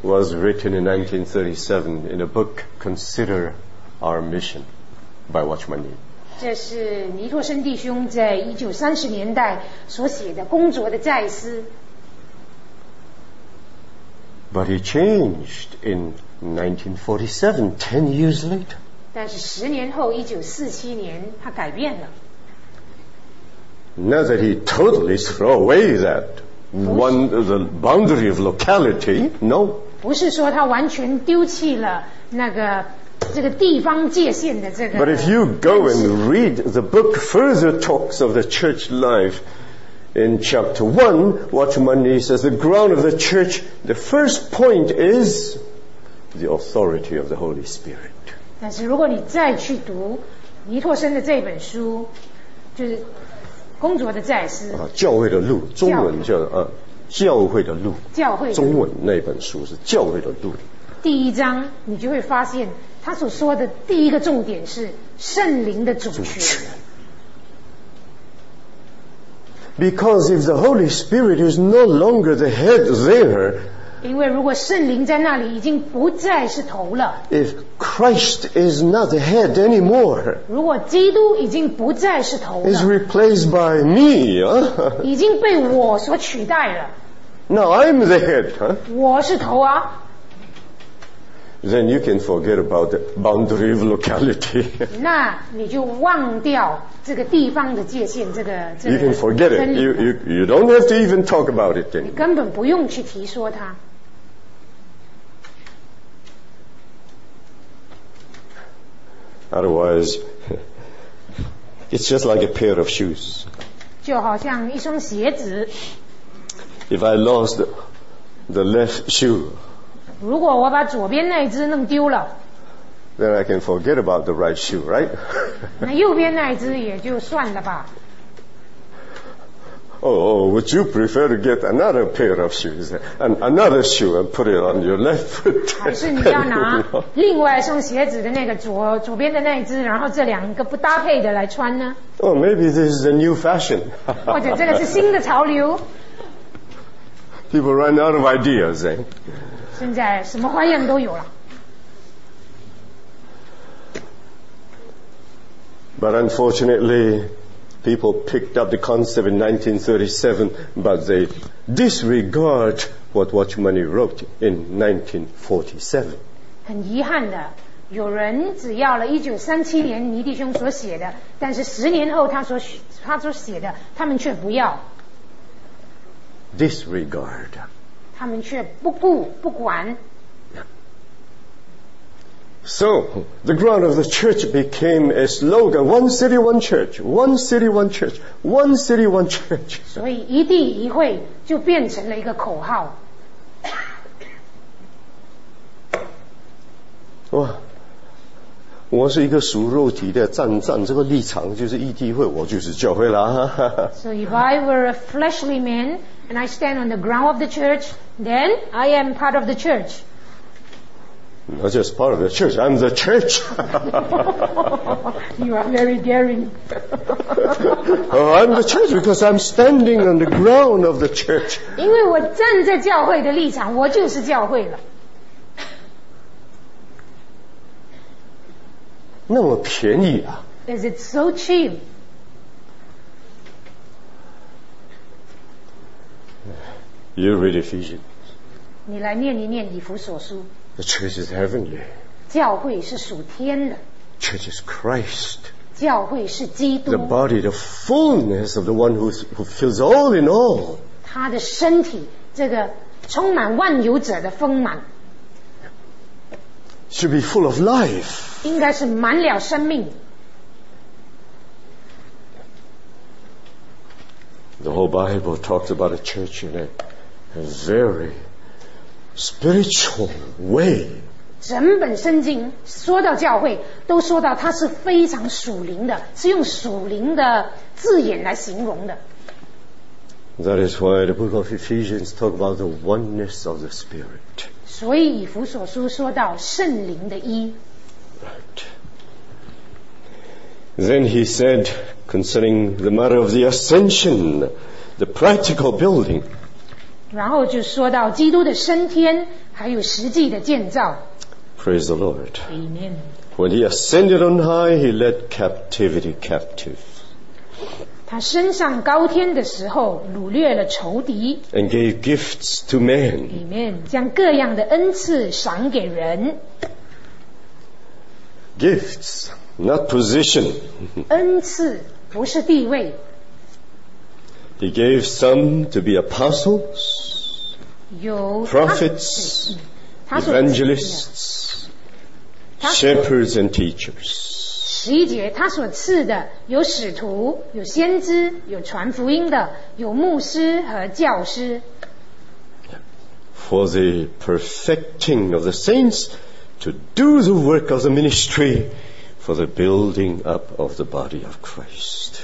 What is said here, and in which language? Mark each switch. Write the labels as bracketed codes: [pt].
[en] 1937 in a book, Consider Our Mission, by Watchman Nee. [zh] 这是尼托生弟兄在1930年代所写的《公卓的再思》。 [en] But he changed in 1947, 10 years later. [zh] 但是十年后1947年他改变了。 [en] Now that he totally threw away that one, the boundary of locality, no. [zh] 不是说他完全丢弃了那个这个地方界限的这个。 [en] But if you go and read the book further talks of the church life in chapter 1, Watchman Nee says the ground of the church, the first point is the authority of the Holy Spirit. [zh] 但是如果你再去读尼托生的这本书，就是公卓的再思，教会的路，中文叫教会的路，教会中文那本书是教会的路，第一章你就会发现他所说的第一个重点是圣灵的主权。 [en] Because if the Holy Spirit is no longer the head there, [zh] 因为如果圣灵在那里已经不再是头了， [en] if Christ is not the head anymore, [zh] 如果基督已经不再是头了， [en] is replaced by me, [zh] 已经被我所取代了。 [en] Now I'm the head, [zh] 我是头啊。 [en] Then you can forget about the boundary of locality. [zh] 那你就忘掉这个地方的界限，这个。 [en] You can forget it. You don't have to even talk about it anymore. [zh] 你根本不用去提说它。 [en] Otherwise, it's just like a pair of shoes. [zh] 就好像一双鞋子。 [en] If I lost the left shoe. [zh] 如果我把左边那一只弄丢了， [en] then I can forget about the right shoe, right? [zh] 那右边那一只也就算了吧。 [en] Would you prefer to get another pair of shoes and another shoe and put it on your left foot? [zh] 还是你要拿另外一双鞋子的那个左边的那一只，然后这两个不搭配的来穿呢？ [en] Oh, maybe this is a new fashion. [zh] 或者这个是新的潮流。 [en] People run out of ideas, eh? [zh] 现在什么花样都有了。 [en] But unfortunately, people picked up the concept in 1937, but they disregard what Watchman Nee wrote in 1947. [zh] 很遗憾的，有人只要了1937年尼弟兄所写的，但是十年后他所写的，他们却不要。 [en] Disregard. [zh] 他们却不顾不管。 [en] So the ground of the church became a slogan: One city, one church. One city, one church. One city, one church. [zh] 所以一地一会就变成了一个口号。哇！我是一个属肉体的，站这个立场就是一地会，我就是教会啦。 [en] So if I were a fleshly man and I stand on the ground of the church. Then I am part of the church. Not just part of the church, I'm the church. You are very daring. Oh, I'm the church because I'm standing on the ground of the church. [zh] 因为我站在教会的立场，我就是教会了。那么便宜啊。 [en] Is it so cheap? [zh] 你来念一念以弗所书。 [en] The church is heavenly. [zh] 教会是属天的。 [en] Church is Christ. [zh] 教会是基督。 [en] The body, the fullness of the one who fills all in all. [zh] 他的身体，这个充满万有者的丰满。 [en] Should be full of life. [zh] 应该是满了生命。 [en] The whole Bible talks about a church in a very spiritual way. [zh] 整本圣经说到教会，都说到它是非常属灵的，是用属灵的字眼来形容的。 [en] That is why the book of Ephesians talks about the oneness of the Spirit. [zh] 所以以弗所书说到圣灵的一。 [en] Right. Then he said concerning the matter of the ascension, the practical building. [zh] 然后就说到基督的升天还有实际的建造。 [en] Praise the Lord. Amen. When he ascended on high, he led captivity captive. [zh] 他升上高天的时候掳掠了仇敌。 [en] And gave gifts to men. [zh] Amen. 将各样的恩赐赏给人。 [en] Gifts, not position. [zh] 恩赐不是地位。 [en] He gave some to be apostles, prophets, evangelists, shepherds and teachers. [zh] 十一节，他所赐的有使徒，有先知，有传福音的，有牧师和教师。 [en] For the perfecting of the saints to do the work of the ministry. For the building up of the body of Christ.